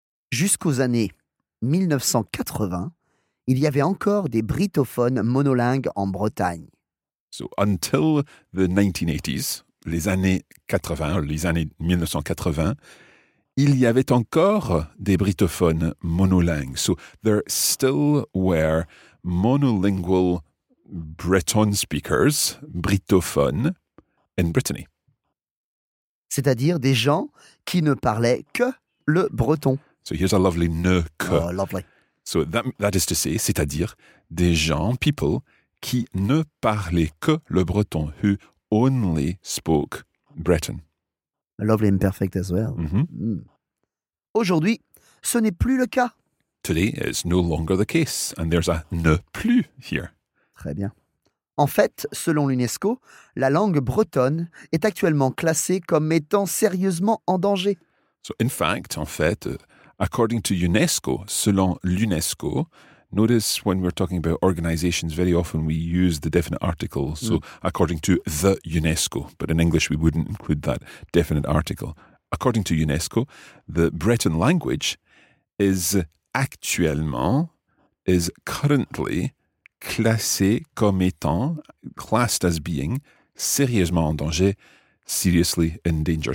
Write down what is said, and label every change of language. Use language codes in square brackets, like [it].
[fr] Jusqu'aux années 1980, il y avait encore des britophones monolingues en Bretagne. [en] So, until the 1980s, [fr] les années 80, les années 1980, il y avait encore des britophones monolingues. [en] So, there still were monolingual Breton speakers, britophones, in Brittany. [fr] C'est-à-dire des gens qui ne parlaient que le breton. [en] So, here's a lovely ne que. Oh, lovely. So that is to say, [fr] c'est-à-dire des gens, [en] people, [fr] qui ne parlaient que le breton, [en] who only spoke Breton. Lovely imperfect as well. Mm-hmm. Mm. [fr] Aujourd'hui, ce n'est plus le cas. [en] Today, it's no longer the case, and there's a ne plus here. [fr] Très bien. En fait, selon l'UNESCO, la langue bretonne est actuellement classée comme étant sérieusement en danger. [en] So in fact, [fr] en fait... [en] According to UNESCO, [fr] selon l'UNESCO, [en] notice when we're talking about organizations, very often we use the definite article. So, according to the UNESCO, but in English we wouldn't include that definite article. According to UNESCO, the Breton language is actuellement, is currently [fr] classé comme étant, [en] classed as being, [fr] sérieusement en danger, [en] seriously in danger.